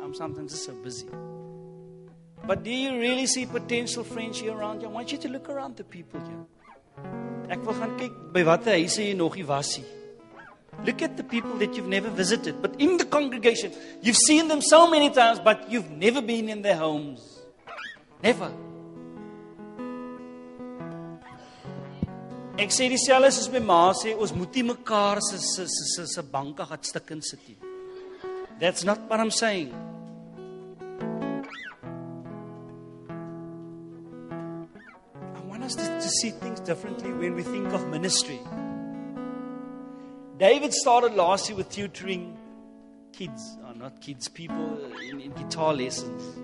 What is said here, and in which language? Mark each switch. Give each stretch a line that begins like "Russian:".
English: I'm sometimes just so busy. But do you really see potential friends here around you? I want you to look around the people here. Ek wil gaan kyk by watter huise jy nog nie was nie. Look at the people that you've never visited, but in the congregation, you've seen them so many times, but you've never been in their homes. Never.
Afrikaans: Ek sê dieselfde soos my ma sê, ons moet nie mekaar se banke gaan stik in sit nie.
English: That's not what I'm saying. I want us to see things differently when we think of ministry. David started last year with tutoring kids. Oh, not kids, people in guitar lessons.